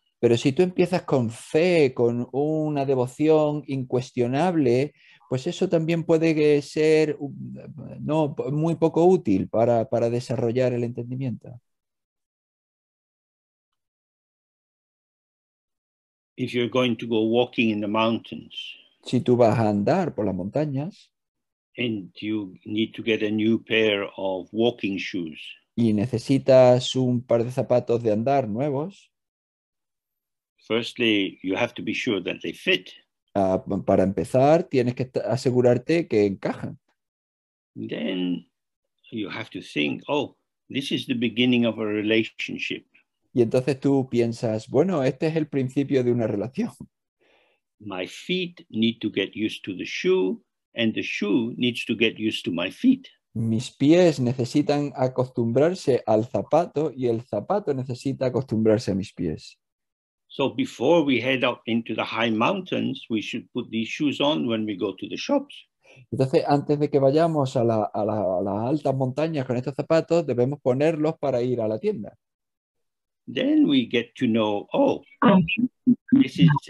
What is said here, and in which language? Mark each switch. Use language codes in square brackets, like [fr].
[es] Pero si tú empiezas con fe, con una devoción incuestionable, pues eso también puede ser no muy poco útil para desarrollar el entendimiento. [en] If you're going to go walking in the mountains [es] Si tú vas a andar por las montañas [en] and you need to get a new pair of walking shoes, [es] y necesitas un par de zapatos de andar nuevos, [en] firstly, you have to be sure that they fit. [es] para empezar, tienes que asegurarte que encajan. [en] Then you have to think, oh, this is the beginning of a relationship. [es] Y entonces tú piensas, bueno, este es el principio de una relación. [en] My feet need to get used to the shoe, and the shoe needs to get used to my feet. [es] Mis pies necesitan acostumbrarse al zapato y el zapato necesita acostumbrarse a mis pies. [en] So before we head up into the high mountains, we should put these shoes on when we go to the shops. [es] Entonces, antes de que vayamos a las altas montañas con estos zapatos, debemos ponerlos para ir a la tienda. [en] Then we get to know, oh, this is